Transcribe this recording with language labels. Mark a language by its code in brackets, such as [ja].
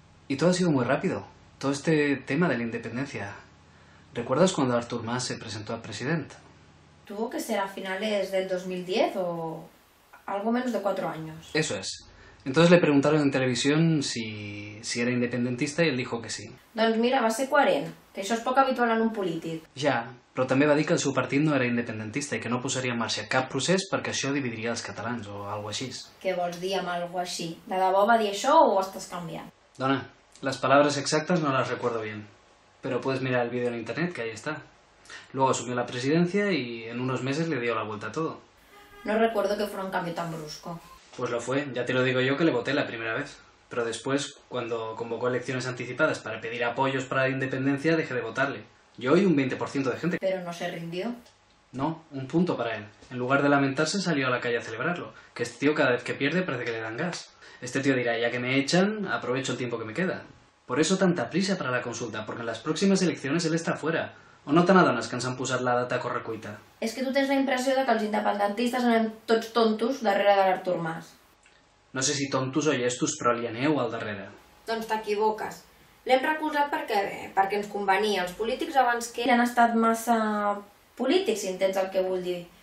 [es] Y todo ha sido muy rápido, todo este tema de la independencia. ¿Recuerdas cuando Artur Mas se presentó a presidente? Tuvo que ser a finales del 2010 o algo menos de 4 años. Eso es. Entonces le preguntaron en televisión si era independentista y él dijo que sí. [ca] Doncs mira, va ser coherent, que això és poc habitual en un polític. Ja, però també va dir que el seu partit no era independentista i que no posaria en marxa cap procés perquè això dividiria els catalans o alguna cosa així. Què vols dir amb algo així? De debò va dir això o ho estàs canviant? Dona, les paraules exactes no les recordo [es] bien, però puedes mirar el vídeo en internet, que ahí está. Luego asumió la presidencia y en unos meses le dio la vuelta a todo. No recuerdo que fuera un cambio tan brusco. Pues lo fue, ya te lo digo yo que le voté la primera vez. Pero después, cuando convocó elecciones anticipadas para pedir apoyos para la independencia, dejé de votarle. Yo y un 20% de gente. Pero no se rindió. No, un punto para él. En lugar de lamentarse, salió a la calle a celebrarlo. Que este tío cada vez que pierde parece que le dan gas. Este tío dirá, ya que me echan, aprovecho el tiempo que me queda. Por eso tanta prisa para la consulta, porque en las próximes elecciones él está fuera. [ca] O no te adones que ens han posat la data a correcuita. És que tu tens la impressió de que els independentistes anem tots tontos darrere de l'Artur Mas. No sé si tontos o llestos, però li aneu al darrere. Doncs t'equivoques. L'hem recolzat perquè ens convenia. Els polítics abans que ell han estat massa polítics, si entens el que vull dir.